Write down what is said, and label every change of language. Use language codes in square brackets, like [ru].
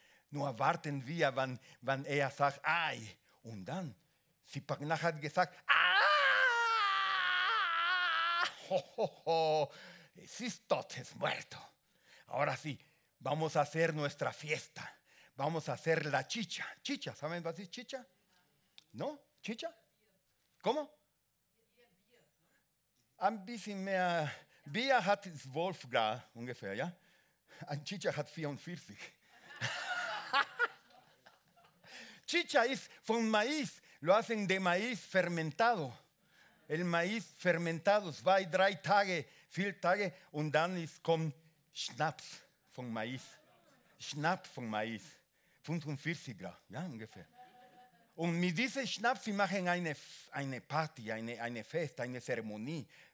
[de] Nur warten wir, wann er sagt, ei. Und dann, Sipagna hat gesagt, ah, es ist tot, es ist muerto. [es] Ahora sí, vamos a hacer nuestra fiesta. Vamos a hacer la chicha. Chicha, ¿saben qué es chicha? ¿No? ¿Chicha? ¿Cómo? [de] Ein bisschen mehr. Bier hat es Wolfgang ungefähr, ja? Ein Chicha hat 44. Chicha ist von Mais. [es] Lo hacen de Mais fermentado. El Mais fermentado. [de] Zwei, drei Tage, vier Tage. Und dann kommt Schnaps von Mais. Schnaps von Mais. 45 Grad, ja, ungefähr. Und mit diesem Schnaps, sie machen eine Party, eine Fest, eine Zeremonie.